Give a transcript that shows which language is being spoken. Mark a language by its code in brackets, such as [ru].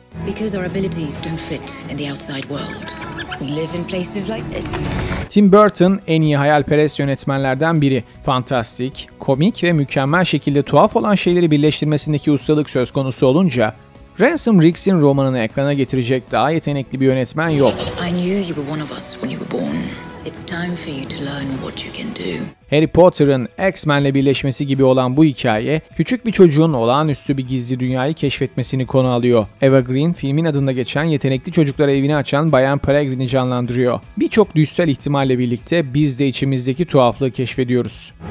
[en] Because our abilities don't fit in the outside world. We live in places like this. [tr] Tim Burton en iyi hayalperest yönetmenlerden biri. Fantastik, komik ve mükemmel şekilde tuhaf olan şeyleri birleştirmesindeki ustalık söz konusu olunca, Ransom Riggs'in romanını ekrana getirecek daha yetenekli bir yönetmen yok. [en] I knew you were one of us when you were born. It's time for you to learn what you can do. [tr] Harry Potter'ın X-Men'le birleşmesi gibi olan bu hikaye, küçük bir çocuğun olağanüstü bir gizli dünyayı keşfetmesini konu alıyor. Eva Green, filmin adında geçen yetenekli çocuklara evini açan Bayan Peregrine'i canlandırıyor. Birçok düşsel ihtimalle birlikte biz de içimizdeki tuhaflığı keşfediyoruz.